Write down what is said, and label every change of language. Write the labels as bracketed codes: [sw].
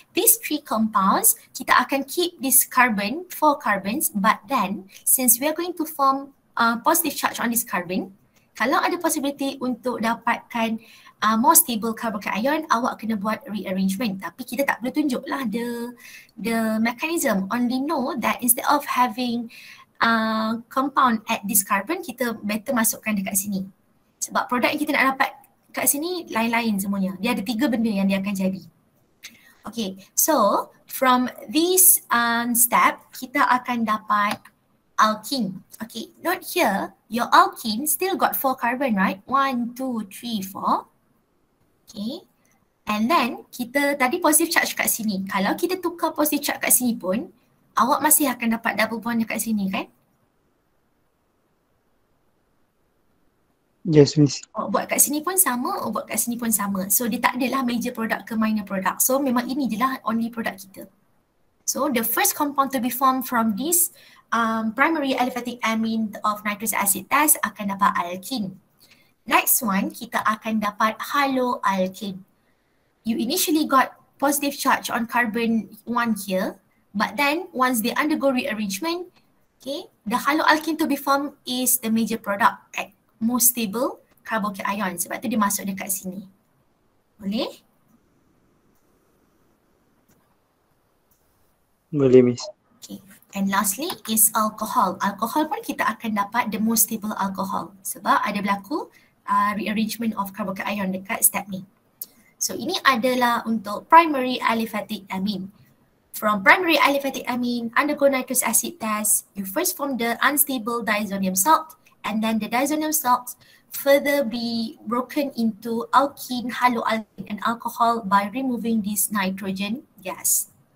[en] These 3 compounds, [ms] kita akan [en] keep this carbon, 4 carbons, but then, since we are going to form positive charge on this carbon, [ms] kalau ada possibility untuk dapatkan [en] more stable carbocation, [ms] awak kena buat [en] rearrangement. [ms] Tapi kita tak boleh tunjuklah the mechanism. [en] Only know that instead of having compound at this carbon, [ms] kita better masukkan dekat sini. Sebab produk yang kita nak dapat kat sini lain-lain semuanya. Dia ada 3 benda yang dia akan jadi. [en] Okay, so from this step, [ms] kita akan dapat [en] alkene. Okay, note here, your alkene still got 4 carbon, right? 1, 2, 3, 4. Okay, and then [ms] kita tadi [en] positive charge kat sini. [ms] Kalau kita tukar positive charge kat sini pun, awak masih akan dapat double bond dekat sini, kan? [en] Yes, Miss. [ms] Awak buat kat sini pun sama, awak buat kat sini pun sama. So, dia tak adalah major product ke minor product. So, memang ini je lah only product kita. [en] So, the first compound to be formed from this primary aliphatic amine of nitrous acid test [ms] akan dapat [en] alkene. [ms] Next one, kita akan dapat haloalkene. [en] You initially got positive charge on carbon 1 here. But then, once they undergo rearrangement, okay, the haloalkene to be formed is the major product at most stable carbocation. [ms] Sebab tu dia masuk dekat sini. Boleh? Boleh, Miss. [en] Okay. And lastly is alcohol. Alcohol pun kita akan dapat the most stable alcohol [ms] sebab ada berlaku [en] rearrangement of carbocation dekat stepney. [ms] So ini adalah untuk primary aliphatic amine. [en] From primary aliphatic amine, undergo nitrous acid test, you first form the unstable diazonium salt and then the diazonium salt further be broken into alkene, haloalkene and alcohol by removing this nitrogen gas.